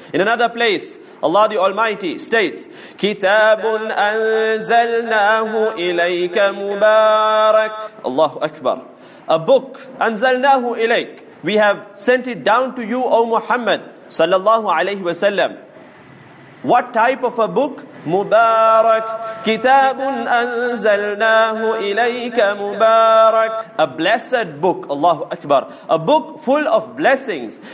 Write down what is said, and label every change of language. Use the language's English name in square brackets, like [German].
[English] In another place, Allah the Almighty states, [Arabic] كِتَابٌ أَنزَلْنَاهُ إِلَيْكَ مُبَارَكٌ. [English] Allahu Akbar. A book, [Arabic] أَنزَلْنَاهُ إِلَيْكَ. [English] We have sent it down to you, O Muhammad, sallallahu alayhi wa sallam. What type of a book? مُبَارَكْ. [Arabic] كِتَابٌ أَنزَلْنَاهُ إِلَيْكَ مُبَارَكْ. [English] A blessed book, Allahu Akbar. A book full of blessings.